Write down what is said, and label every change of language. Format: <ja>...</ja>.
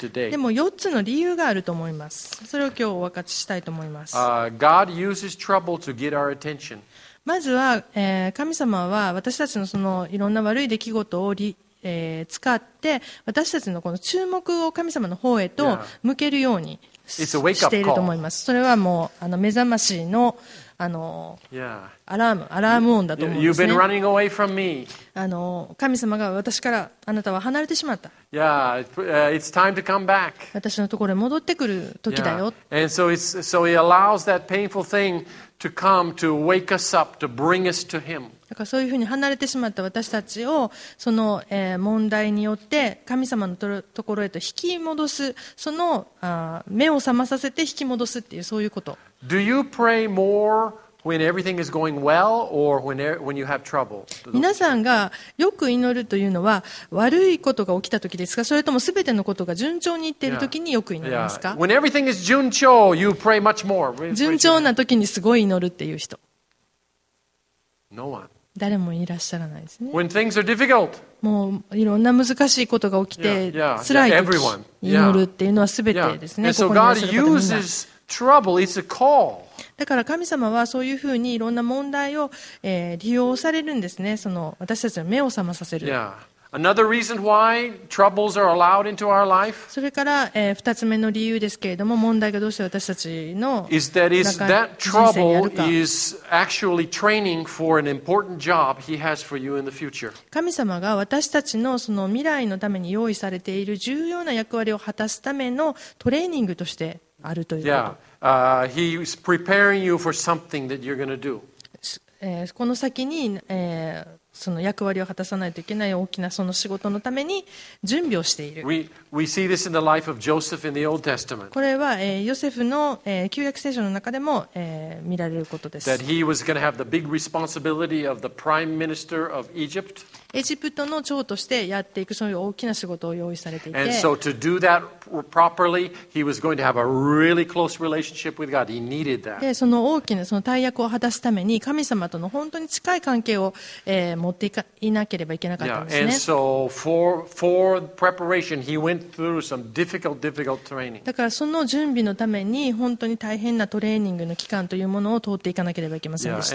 <ja>でも4つの理由があると思います。それを今日お分かちしたいと思います。</ja> <en>God uses trouble to get our attention.</en> <ja>まずは、神様は私たちのそのいろんな悪い出来事を使って私たちのこの注目を神様の方へと向けるようにしていると思います。それはもう目覚ましの、アラーム音だと思うんですね。</ja> <en>You've been running away from me.</en> <ja>神様が私からあなたは離れてしまった。</ja> <en>Yeah, it's time to come back.</en> <ja>私のところに戻ってくる時だよ。</ja> <en>Yeah. And so it's, so he allows that painful thing to come to wake us up, to bring us to him.</en> <ja>だからそういうふうに離れてしまった私たちをその問題によって神様のところへと引き戻す、その目を覚まさせて引き戻すっていう、そういうこと。</ja> <en>Do you pray more when everything is going well or when you have trouble?</en> <ja>皆さんがよく祈るというのは悪いことが起きた時ですか、それとも全てのことが順調にいっている時によく祈りますか？</ja> <en>When everything is 順調, you pray much more.</en> <ja>順調な時にすごい祈るっていう人。</ja> <en>No one.</en> <ja>誰もいらっしゃらないですね。</ja> <en>When things are difficult,</en> <ja>もういろんな難しいことが起きて辛い時に祈るっていうのは全てですね。</ja> <en>So God uses trouble. It's a call.</en> <ja>だから神様はそういうふうにいろんな問題を、利用されるんですね。その私たちの目を覚まさせる。</ja> <en>Another reason why troubles are allowed into our life.</en> <ja>それから、2つ目の理由ですけれども、問題がどうして私たちの</ja> <en>is that is that trouble is actually training for an important job he has for you in the future.</en> <ja>神様が私たちのその未来のために用意されている重要な役割を果たすためのトレーニングとしてあるということ。</ja> <en>Yeah, he is preparing you for something that you're going to do.</en> <ja>この先に、その役割を果たさないといけない大きなその仕事のために準備をしている。</ja> <en>We see this in the life of Joseph in the Old Testament.</en> <ja>これは、ヨセフの、旧約聖書の中でも、見られることです。</ja> <en>That he was going to have the big responsibility of the prime minister of Egypt.</en> <ja>エジプトの長としてやっていくそういう大きな仕事を用意されていて。</ja> <en>And so to do that properly, he was going to have a really close relationship with God. He needed that.</en> <ja>で、その大きなその大役を果たすために神様との本当に近い関係を、持っていかなければいけなかったんですね。</ja> <en>Yeah. And so for preparation, he went through some difficult training.</en> <ja>だからその準備のために本当に大変なトレーニングの期間というものを通っていかなければいけませんでした。</ja>